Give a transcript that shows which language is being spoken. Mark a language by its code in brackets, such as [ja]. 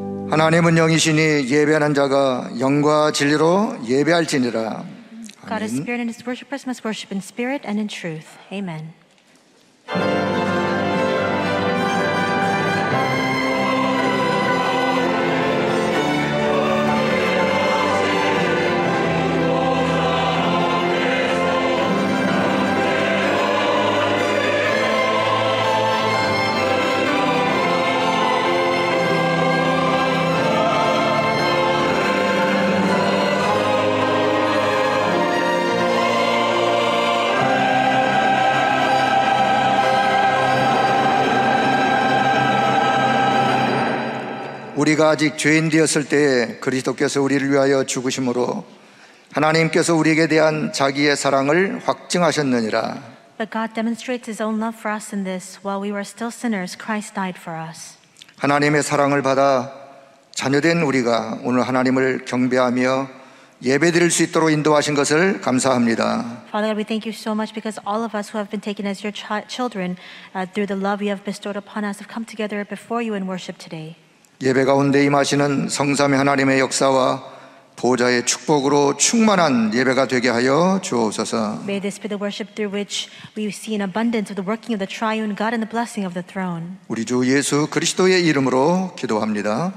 [ko] 하나님은 영이시니 예배하는 자가 영과 진리로 예배할지니라. [en] God is spirit and his worshipers must worship in spirit and in truth. Amen. [ko] 우리가 아직 죄인 되었을 때 그리스도께서 우리를 위하여 죽으심으로 하나님께서 우리에게 대한 자기의 사랑을 확증하셨느니라. [en] But God demonstrates his own love for us in this. While we were still sinners, Christ died for us. [ko] 하나님의 사랑을 받아 자녀된 우리가 오늘 하나님을 경배하며 예배드릴 수 있도록 인도하신 것을 감사합니다. [en] Father God, we thank you so much because all of us who have been taken as your children through the love you have bestowed upon us have come together before you in worship today. [ko] 예배 가운데 임하시는 성삼위 하나님의 역사와 보좌의 축복으로 충만한 예배가 되게 하여 주옵소서. [en] May this be the worship through which we see an abundance of the working of the triune God and the blessing of the throne. [ko] 우리 주 예수 그리스도의 이름으로 기도합니다.